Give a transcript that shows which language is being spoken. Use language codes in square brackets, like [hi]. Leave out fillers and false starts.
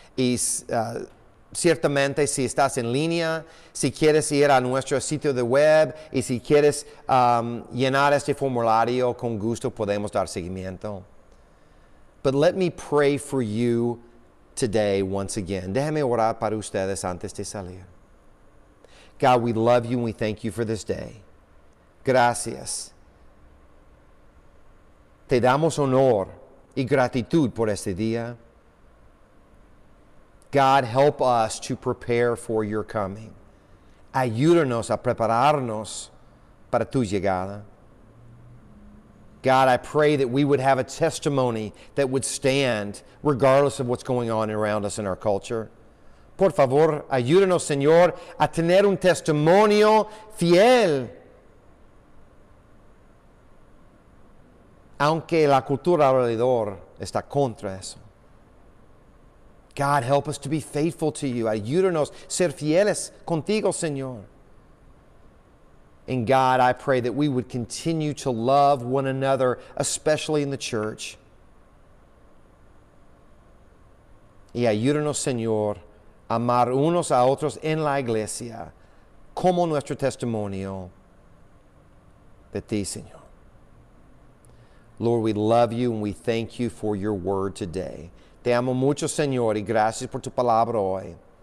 [es] Y ciertamente, si estás en línea, si quieres ir a nuestro sitio de web, y si quieres llenar este formulario, con gusto podemos dar seguimiento. [en] But let me pray for you today once again. [es] Déjame orar para ustedes antes de salir. [en] God, we love you and we thank you for this day. [es] Gracias. Te damos honor y gratitud por este día. [en] God, help us to prepare for your coming. [es] Ayúdanos a prepararnos para tu llegada. [en] God, I pray that we would have a testimony that would stand regardless of what's going on around us in our culture. [es] Por favor, ayúdanos, Señor, a tener un testimonio fiel. Aunque la cultura alrededor está contra eso. [en] God, help us to be faithful to you. [es] Ayúdanos ser fieles contigo, Señor. [en] And God, I pray that we would continue to love one another, especially in the church. [es] Y ayúdanos, Señor, amar unos a otros en la iglesia como nuestro testimonio de ti, Señor. [en] Lord, we love you and we thank you for your word today. [es] Te amo mucho, Señor, y gracias por tu palabra hoy.